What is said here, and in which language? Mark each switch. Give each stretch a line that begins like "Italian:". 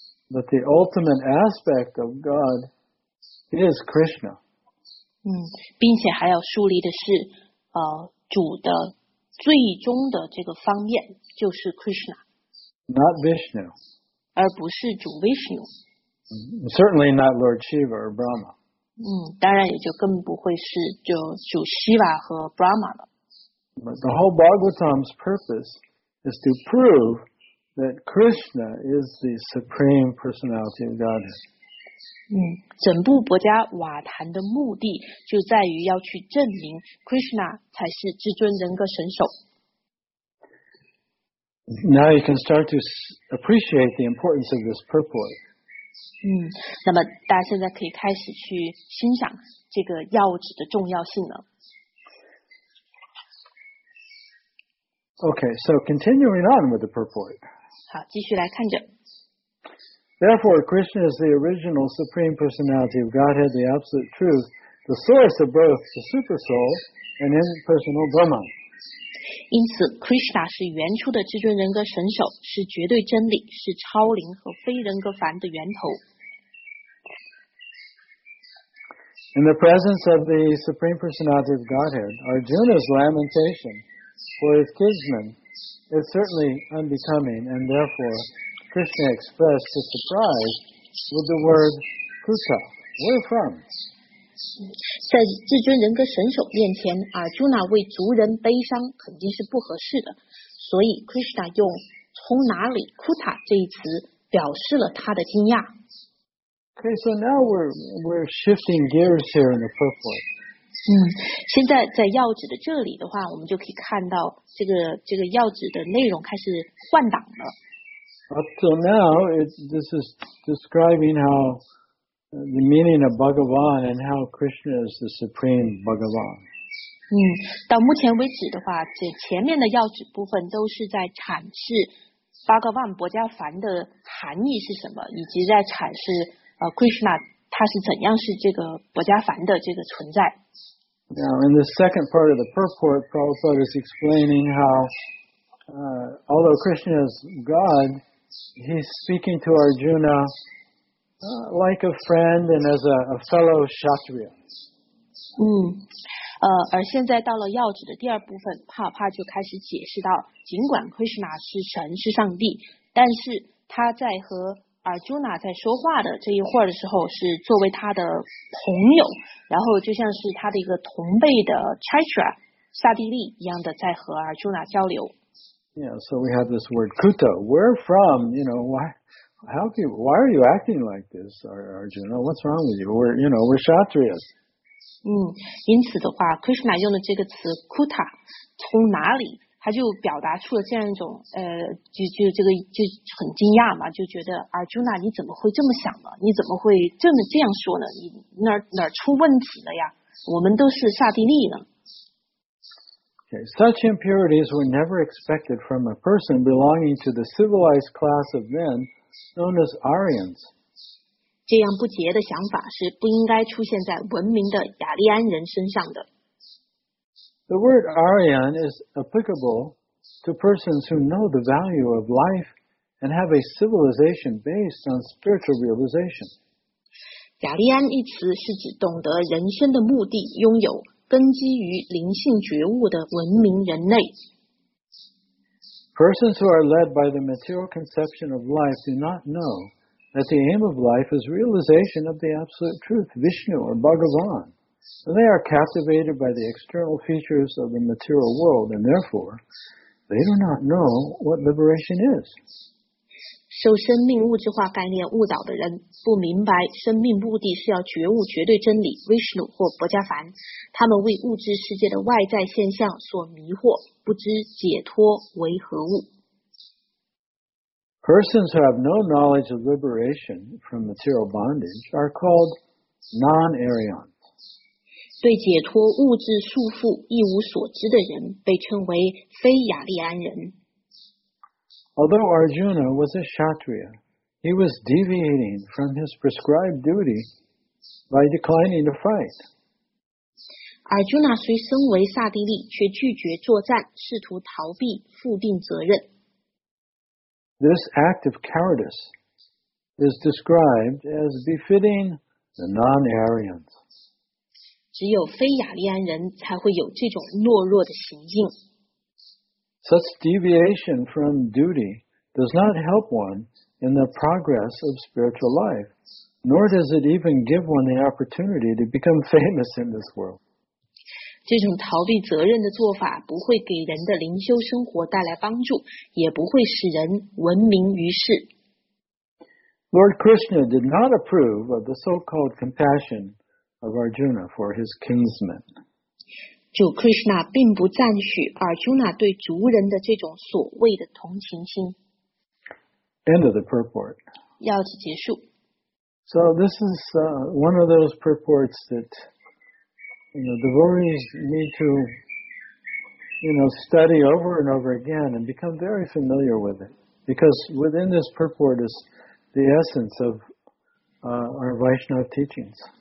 English: But the ultimate aspect of God is Krishna.
Chinese: 并且还要树立的是主的最终的这个方面就是 Krishna.
English: Not Vishnu.
Chinese: 而不是主 Vishnu.
English: Certainly not Lord Shiva or Brahma.
Chinese: 当然也就更不会是就主希瓦和 Brahma 了。
English: But the whole Bhagavatam's purpose is to prove that Krishna is the Supreme Personality of Godhead.
Chinese: 整部博加瓦坛的目的就在于要去证明 Krishna 才是至尊人格神手。
English: Now you can start to appreciate the importance of this purport.
Chinese: 那么大家现在可以开始去欣赏这个要旨的重要性了。
English: Okay, so continuing on with the purport.
Chinese: 好，继续来看着。
English: Therefore, Krishna is the original Supreme Personality of Godhead, the Absolute Truth, the source of both the Super Soul and Impersonal Brahma.
Chinese: 因此 ，Krishna 是原初的至尊人格神手，是绝对真理，是超灵和非人格凡的源头。
English: In the presence of the Supreme Personality of Godhead, Arjuna's lamentation for his kinsman is certainly unbecoming, and therefore Krishna expressed his surprise with the word "Kuta." Where from?
Chinese: 在至尊人格神手面前，阿朱那为族人悲伤肯定是不合适的，所以 Krishna 用从哪里 "Kuta" 这一词表示了他的惊讶。
English: Okay, so now we're shifting gears here in the purport.
Chinese: 现在在要旨的这里的话，我们就可以看到这个要旨的内容开始换挡了。
English: Up till now, this is describing how the meaning of Bhagavan and how Krishna is the supreme Bhagavan.
Chinese: 到目前为止的话，这前面的要旨部分都是在阐释巴格万博加凡的含义是什么，以及在阐释。 Krishna 他是怎样是这个薄伽梵的这个存在。
English: Now, in the second part of the purport, Prabhupada is explaining how, although Krishna is God, he's speaking to Arjuna, like a friend and as a fellow Kshatriya.
Chinese: 而现在到了要旨的第二部分，帕帕就开始解释到，尽管 Krishna 是神是上帝，但是他在和Arjuna 在说话的这一会儿的时候是作为他的朋友，然后就像是他的一个同辈的 Chaitra 萨地利一样的在和 Arjuna 交流。
English: Yeah, so we have this word Kuta. Where from? You know, why are you acting like this, Arjuna? What's wrong with you? We're Kshatriyas.
Chinese: 因此的话 ，Krishna 用的这个词 Kuta 从哪里？他就表达出了这样一种就很惊讶嘛，就觉得阿朱娜你怎么会这么想呢？你怎么会这么这样说呢？你哪出问题了呀？我们都是刹帝利呢。
English: Okay, such impurities were never expected from a person belonging to the civilized class of men known as Aryans.
Chinese: 这样不洁的想法是不应该出现在文明的雅利安人身上的。
English: The word Aryan is applicable to persons who know the value of life and have a civilization based on spiritual realization.
Chinese: 雅利安一词是指懂得人生的目的，拥有根基于灵性觉悟的文明人类。
English: Persons who are led by the material conception of life do not know that the aim of life is realization of the absolute truth, Vishnu or Bhagavan. They are captivated by the external features of the material world, and therefore, they do not know what liberation is.
Chinese: 受生命物质化概念误导的人不明白生命目的是要觉悟绝对真理 Vishnu 或薄伽梵，他们为物质世界的外在现象所迷惑，不知解脱为何物。
English: Persons who have no knowledge of liberation from material bondage are called non-Aryans.
Chinese: 对解脱物质束缚一无所知的人被称为非雅利安人。
English: Although Arjuna was a Kshatriya, he was deviating from his prescribed duty by declining to fight.
Chinese: Arjuna 虽身为萨帝利，却拒绝作战，试图逃避负定责任。
English: This act of cowardice is described as befitting the non-Aryans.
Chinese: 只有非雅利安人才会有这种懦弱的行径。
English: Such deviation from duty does not help one in the progress of spiritual life, nor does it even give one the opportunity to become famous in this world.
Chinese: 这种逃避责任的做法不会给人的灵修生活带来帮助，也不会使人闻名于世。
English: Lord Krishna did not approve of the so-called compassion of Arjuna for his kinsmen.
Chinese: 主 Krishna 并不赞许 Arjuna 对族人的这种所谓的同情心。
English: End of the purport.
Chinese: 要此结束。
English: So this is one of those purports that devotees need to study over and over again and become very familiar with it. Because within this purport is the essence of our Vaishnava teachings.